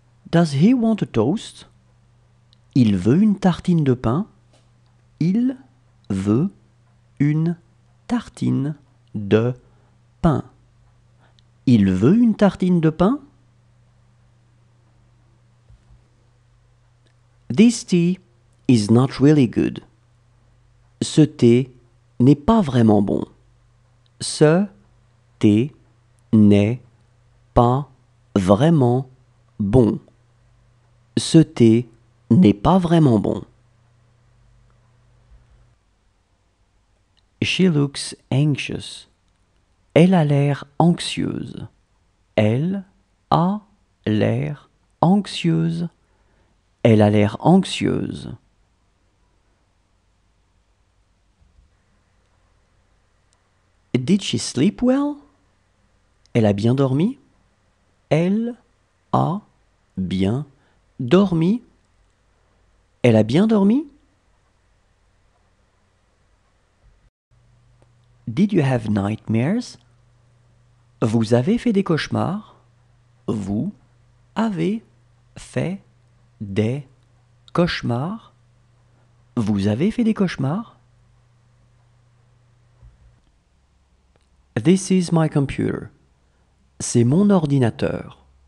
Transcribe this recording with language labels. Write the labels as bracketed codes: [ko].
[en] Does he want a toast? [fr] Il veut une tartine de pain. Il veut une tartine de pain. Il veut une tartine de pain? [en] This tea is not really good. [fr] Ce thé n'est pas vraiment bon. Ce thé n'est pas vraiment bon. Ce thé n'est pas vraiment bon. [en] She looks anxious. [fr] Elle a l'air anxieuse. Elle a l'air anxieuse. Elle a l'air anxieuse. [en] Did she sleep well? [fr] Elle a bien dormi? Elle a bien dormi? Elle a bien dormi? [en] Did you have nightmares? [fr] Vous avez fait des cauchemars? Vous avez fait des cauchemars? Vous avez fait des cauchemars? [en] This is my computer. [fr] C'est mon ordinateur.